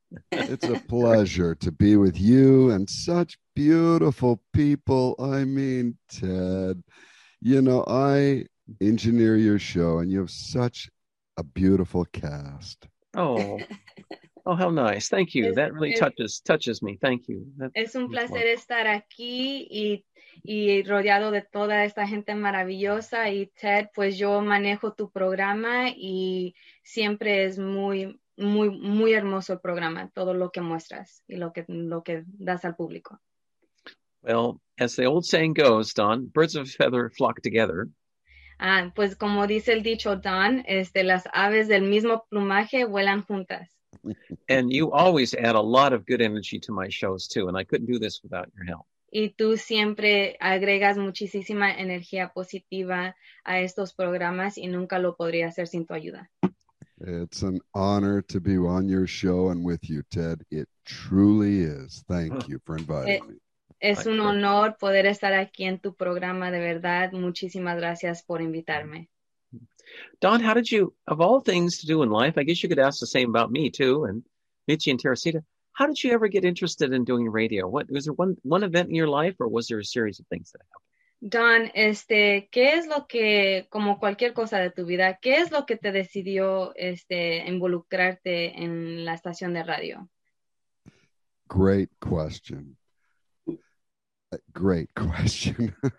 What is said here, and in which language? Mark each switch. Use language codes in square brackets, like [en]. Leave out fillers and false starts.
[en] It's a pleasure to be with you and such beautiful people. I mean, Ted, you know, I engineer your show and you have such a beautiful cast. Oh, how nice. Thank you. That really touches me. Thank you. [es] Es un placer estar aquí y rodeado de toda esta gente maravillosa. Y Ted, pues yo manejo tu programa y siempre es muy, muy, muy hermoso el programa, todo lo que muestras y lo que das al público. [en] Well, as the old saying goes, Don, birds of a feather flock together. [es] Ah, pues como dice el dicho, Don, las aves del mismo plumaje vuelan juntas. [en] And you always add a lot of good energy to my shows, too, and I couldn't do this without your help. [es] Y tú siempre agregas muchísima energía positiva a estos programas y nunca lo podría hacer sin tu ayuda. [en] It's an honor to be on your show and with you, Ted. It truly is. Thank you for inviting me. [es] Es un honor poder estar aquí en tu programa, de verdad. Muchísimas gracias por invitarme. [en] Don, how did you, of all things to do in life, I guess you could ask the same about me too, and Michi and Teresita, how did you ever get interested in doing radio? What was there one event in your life, or was there a series of things that happened? [es] Don, ¿qué es lo que, como cualquier cosa de tu vida, qué es lo que te decidió involucrarte en la estación de radio? [en] Great question. Great question.